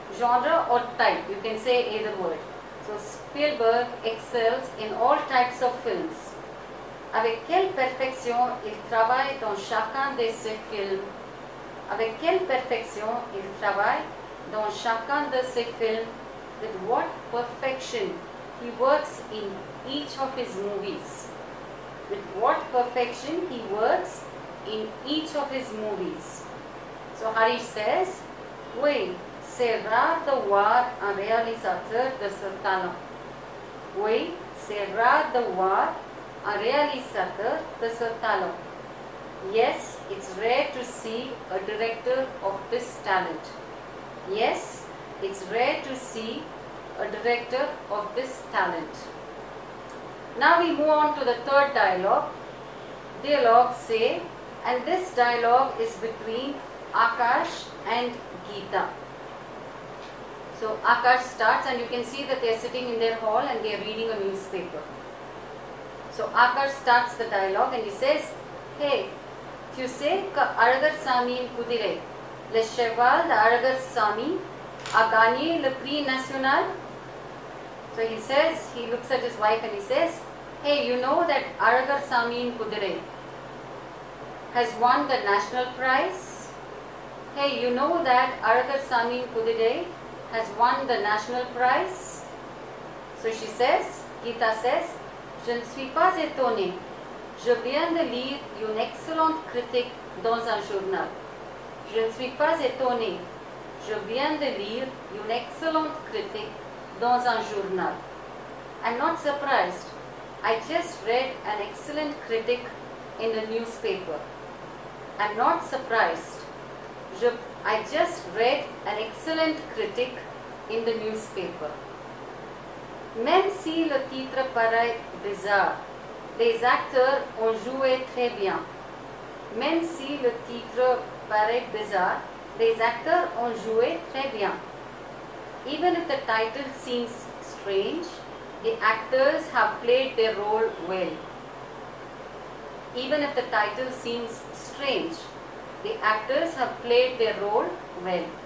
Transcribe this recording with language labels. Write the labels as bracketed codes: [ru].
[en] Genre or type, you can say either word. So, Spielberg excels in all types of films. [fr] Avec quelle perfection il travaille dans chacun de ses films. Avec quelle perfection il travaille dans chacun de ses films. [en] With what perfection he works in each of his movies. With what perfection he works in each of his movies. So, Harish says, [fr] Oui, c'est rare de voir un réalisateur de ce talent. Oui, c'est rare de voir un réalisateur de ce talent. [en] Yes, it's rare to see a director of this talent. Yes, it's rare to see a director of this talent. Now we move on to the third dialogue. Dialogue say, and this dialogue is between Akash and Geeta. So Akash starts, and you can see that they are sitting in their hall and they are reading a newspaper. So Akash starts the dialogue and he says, Hey, [fr] tu sais que Aragarsamy Kudire, le cheval d'Aragarsamy, a gagné le prix national? [en] So he says, he looks at his wife and he says, Hey, you know that Aragarsamy Kudire has won the national prize? Hey, you know that Aragarsamy Kudire has won the national prize? So she says, Geeta says, [fr] Je ne suis pas étonnée. Je viens de lire une excellente critique dans un journal. Je ne suis pas étonnée. Je viens de lire une excellente critique dans un journal. [en] I'm not surprised. I just read an excellent critic in a newspaper. I'm not surprised. I just read an excellent critic in the newspaper. [fr] Même si le titre paraît bizarre, les acteurs ont joué très bien. Même si le titre paraît bizarre, les acteurs ont joué très bien. [en] Even if the title seems strange, the actors have played their role well. Even if the title seems strange, the actors have played their role well.